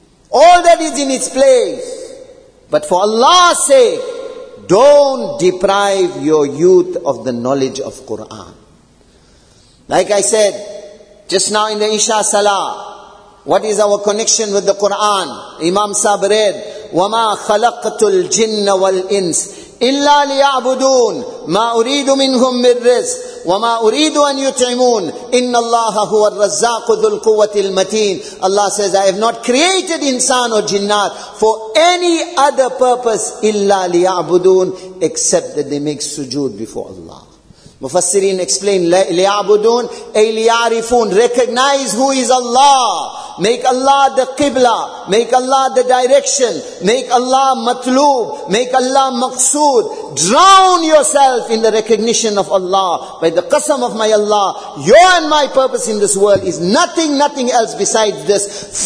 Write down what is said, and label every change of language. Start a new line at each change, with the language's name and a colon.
English: All that is in its place. But for Allah's sake, don't deprive your youth of the knowledge of Quran. Like I said, just now in the Isha Salah, what is our connection with the Quran? Imam Sahib read,
Arabic: وَمَا خَلَقْتُ الْجِنَّ وَالْإِنْسِ إِلَّا لِيَعْبُدُونَ مَا أُرِيدُ مِنْهُمْ مِنْ رِزْقٍ وَمَا أُرِيدُ أَنْ يُطْعِمُونَ إِنَّ اللَّهَ هُوَ الرَّزَّاقُ ذُو الْقُوَّةِ الْمَتِينَ
English: Allah says, I have not created insan or jinnat for any other purpose
Arabic: إِلَّا لِيَعْبُدُونَ
English: except that they make sujood before Allah. Mufassirin explain,
Arabic: لِيَعْبُدُونَ أَيْ لِيَعْرِفُونَ
English: Recognize who is Allah. Make Allah the qibla. Make Allah the direction. Make Allah matloob. Make Allah maqsood. Drown yourself in the recognition of Allah. By the qasam of my Allah, your and my purpose in this world is nothing, nothing else besides this.